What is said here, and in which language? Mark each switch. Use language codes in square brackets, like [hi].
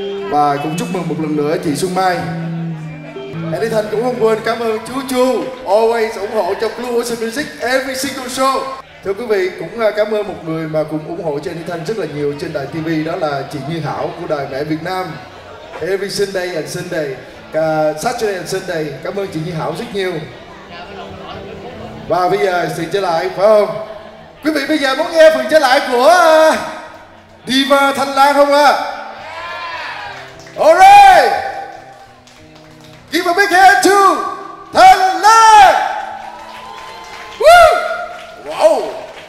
[vi] Và cũng chúc mừng một lần nữa chị Xuân Mai. Eddie Thanh cũng không quên cảm ơn chú Chu [en] always [vi] ủng hộ cho Blue Ocean Music [en] every single show. [vi] Thưa quý vị, cũng cảm ơn một người mà cũng ủng hộ cho Eddie Thanh rất là nhiều trên đài TV, đó là chị Như Thảo của Đài Mẹ Việt Nam. [en] Every Sunday and Sunday, Saturday and Sunday. [vi] Cảm ơn chị Như Thảo rất nhiều. Và bây giờ sự trở lại, phải không? Quý vị bây giờ muốn nghe phần trở lại của Diva Thanh Lan không ạ? [en] Alright! Give a big hand to Thanh Lan! Woo! Wow!